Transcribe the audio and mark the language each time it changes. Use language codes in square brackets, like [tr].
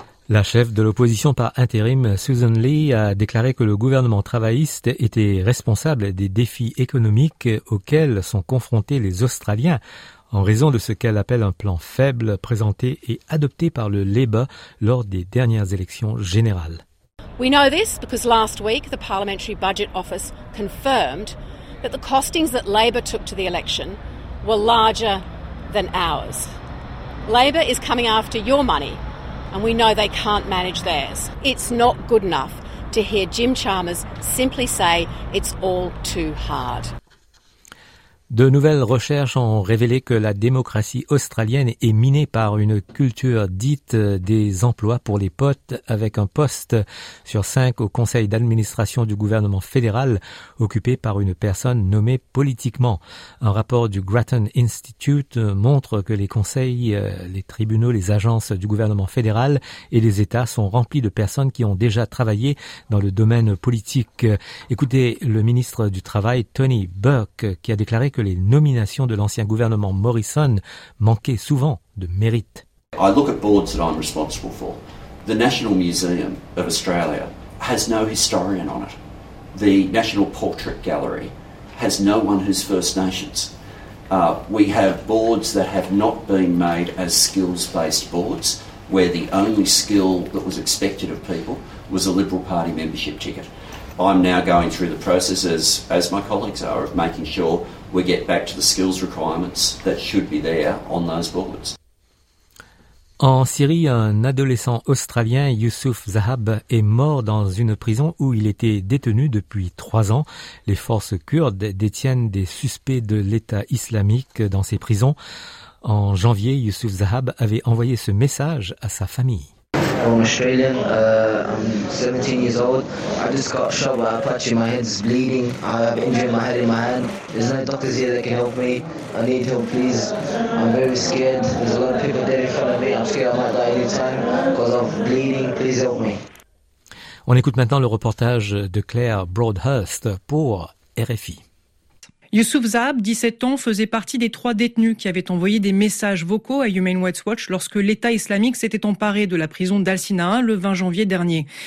[fr] La chef de l'opposition par intérim, Susan Lee, a déclaré que le gouvernement travailliste était responsable des défis économiques auxquels sont confrontés les Australiens en raison de ce qu'elle appelle un plan faible présenté et adopté par le Labour lors des dernières élections générales. [en] We know this because last week the Parliamentary Budget Office confirmed that the costings that Labor took to the election were larger than ours. Labor is coming after your money, and we know they can't manage theirs. It's not good enough to hear Jim Chalmers simply say it's all too hard. [fr] De nouvelles recherches ont révélé que la démocratie australienne est minée par une culture dite des emplois pour les potes, avec un poste sur 5 au conseil d'administration du gouvernement fédéral occupé par une personne nommée politiquement. Un rapport du Grattan Institute montre que les conseils, les tribunaux, les agences du gouvernement fédéral et les États sont remplis de personnes qui ont déjà travaillé dans le domaine politique. Écoutez le ministre du Travail, Tony Burke, qui a déclaré que les nominations de l'ancien gouvernement Morrison manquaient souvent de mérite. [en] I look at boards that I'm responsible for. The National Museum of Australia has no historian on it. The National Portrait Gallery has no one who's First Nations. We have boards that have not been made as skills-based boards, where the only skill that was expected of people was a Liberal Party membership ticket. I'm now going through the process, as my colleagues are, of making sure we get back to the skills requirements that should be there on those boards. [fr] En Syrie, un adolescent australien, Youssouf Zahab, est mort dans une prison où il était détenu depuis 3 ans. Les forces kurdes détiennent des suspects de l'État islamique dans ces prisons. En janvier, Youssouf Zahab avait envoyé ce message à sa famille. [en] I'm Australian, I'm 17 years old. I just got shot by Apache, my head's bleeding. I have injured my head in my hand. There's no doctors here that can help me. I need help, please. I'm very scared. There's a lot of people dead in front of me. I'm scared I might die anytime because of bleeding. Please help me. [fr] On écoute maintenant le reportage de Claire Broadhurst pour RFI. Youssouf Zahab, 17 ans, faisait partie des 3 détenus qui avaient envoyé des messages vocaux à Human Rights Watch lorsque l'État islamique s'était emparé de la prison d'Al-Sinaa le 20 janvier dernier.